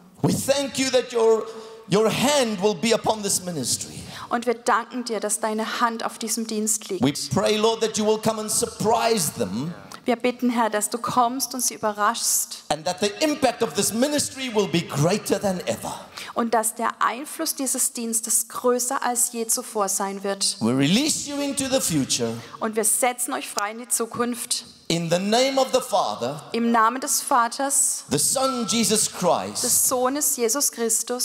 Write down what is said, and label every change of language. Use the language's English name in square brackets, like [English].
[English] We thank you that your hand will be upon this ministry. [German] Und wir danken dir, dass deine Hand auf diesem Dienst liegt. [English] We pray, Lord, that you will come and surprise them. [German] Wir bitten, Herr, dass du kommst und sie überraschst. [English] And that the impact of this ministry will be greater than ever. [German] Und dass der Einfluss dieses Dienstes größer als je zuvor sein wird. [English] We release you into the future. [German] Und wir setzen euch frei in die Zukunft. [English] In the name of the Father, [German] im Namen des Vaters, [English] the Son Jesus Christ, [German] des Sohnes Jesus Christus,